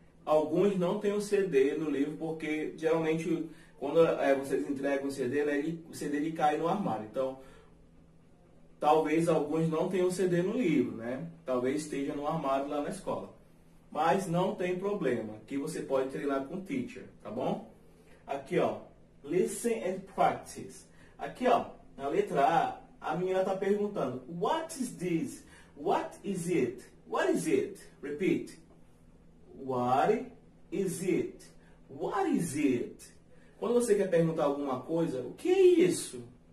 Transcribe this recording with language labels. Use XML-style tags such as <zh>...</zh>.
<pt>Alguns não têm o CD no livro, porque geralmente quando vocês entregam o CD, né, o CD ele cai no armário. Então, talvez alguns não tenham o CD no livro, né? Talvez esteja no armário lá na escola. Mas não tem problema, que você pode treinar com o teacher, tá bom? Aqui, ó,</pt> <en>listen and practice.</en> <pt>Aqui, ó, na letra A, a menina está perguntando,</pt> <en>what is this? What is it? What is it? Repeat. What is it? What is it?</en> <pt>Quando você quer perguntar alguma coisa, o que é isso?</pt>